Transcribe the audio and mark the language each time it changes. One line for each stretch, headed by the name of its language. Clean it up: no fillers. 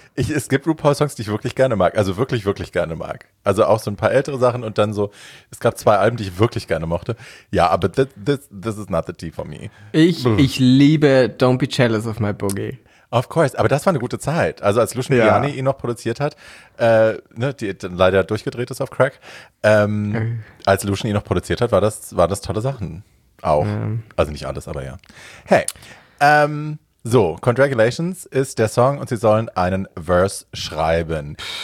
German: Es gibt RuPaul-Songs, die ich wirklich gerne mag. Also wirklich, wirklich gerne mag. Also auch so ein paar ältere Sachen und dann so, es gab zwei Alben, die ich wirklich gerne mochte. Ja, aber
English: this is not the tea for me.
German: Ich liebe Don't Be Jealous of My Boogie.
English: Of course,
German: aber das war eine gute Zeit. Also als Lucian Biani ihn noch produziert hat, ne, die dann leider durchgedreht ist auf Crack, als Lucian ihn noch produziert hat, waren das tolle Sachen. Auch. Ja. Also nicht alles, aber ja. Hey, so, Congratulations ist der Song und sie sollen einen Verse schreiben.